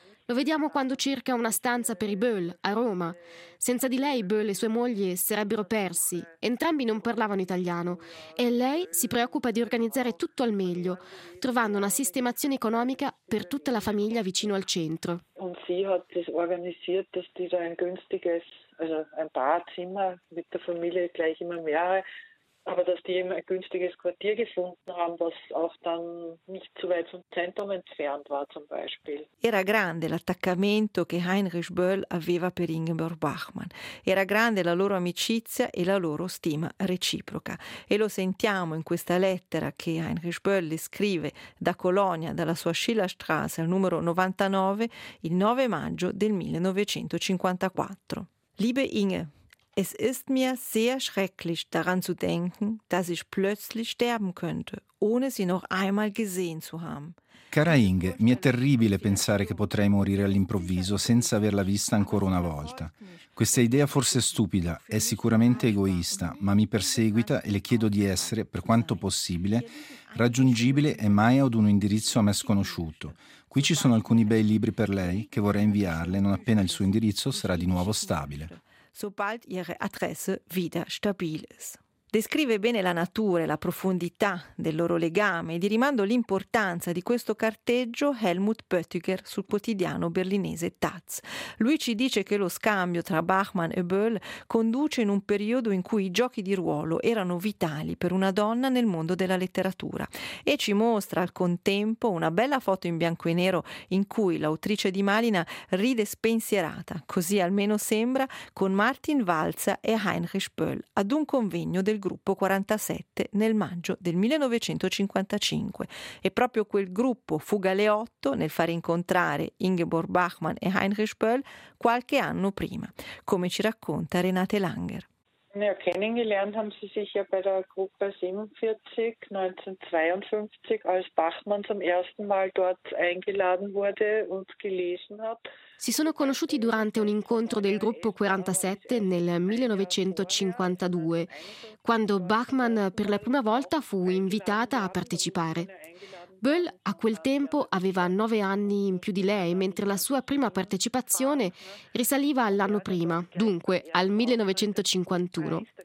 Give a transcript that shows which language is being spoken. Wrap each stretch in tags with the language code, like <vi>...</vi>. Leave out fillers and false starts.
<it>Lo vediamo quando cerca una stanza per i Böll, a Roma. Senza di lei Böll e sue mogli sarebbero persi, entrambi non parlavano italiano, e lei si preoccupa di organizzare tutto al meglio, trovando una sistemazione economica per tutta la famiglia vicino al centro.</it> <de>Und sie hat das organisiert, dass die da ein günstiges, also ein paar Zimmer mit der Familie gleich immer mehrere, aber dass die eben ein günstiges Quartier gefunden haben, was auch dann nicht zu weit vom Zentrum entfernt war zum Beispiel.</de> <it>Era grande l'attaccamento che Heinrich Böll aveva per Ingeborg Bachmann. Era grande la loro amicizia e la loro stima reciproca. E lo sentiamo in questa lettera che Heinrich Böll le scrive da Colonia, dalla sua Schillerstraße al numero 99, il 9 maggio del 1954.</it> <de>Liebe Inge, Es ist mir sehr schrecklich, daran zu denken, dass ich plötzlich sterben könnte, ohne sie noch einmal gesehen zu haben.</de> <it>Cara Inge, mi è terribile pensare che potrei morire all'improvviso senza averla vista ancora una volta. Questa idea forse è stupida, è sicuramente egoista, ma mi perseguita e le chiedo di essere, per quanto possibile, raggiungibile e mai ad un indirizzo a me sconosciuto. Qui ci sono alcuni bei libri per lei che vorrei inviarle non appena il suo indirizzo sarà di nuovo stabile.</it> <de>Sobald ihre Adresse wieder stabil ist.</de> <it>Descrive bene la natura e la profondità del loro legame e di rimando l'importanza di questo carteggio Helmut Pöttiger sul quotidiano berlinese Taz. Lui ci dice che lo scambio tra Bachmann e Böll conduce in un periodo in cui i giochi di ruolo erano vitali per una donna nel mondo della letteratura e ci mostra al contempo una bella foto in bianco e nero in cui l'autrice di Malina ride spensierata, così almeno sembra, con Martin Walser e Heinrich Böll ad un convegno del gruppo 47 nel maggio del 1955 e proprio quel gruppo fu Galeotto nel far incontrare Ingeborg Bachmann e Heinrich Böll qualche anno prima, come ci racconta Renate Langer.</it> <de>Ja, kennengelernt haben sie sich ja bei der Gruppe 47 1952, als Bachmann zum ersten Mal dort eingeladen wurde und gelesen hat.</de> <it>Si sono conosciuti durante un incontro del gruppo 47 nel 1952, quando Bachmann per la prima volta fu invitata a partecipare. Böll a quel tempo aveva 9 anni in più di lei, mentre la sua prima partecipazione risaliva all'anno prima, dunque al 1951.</it>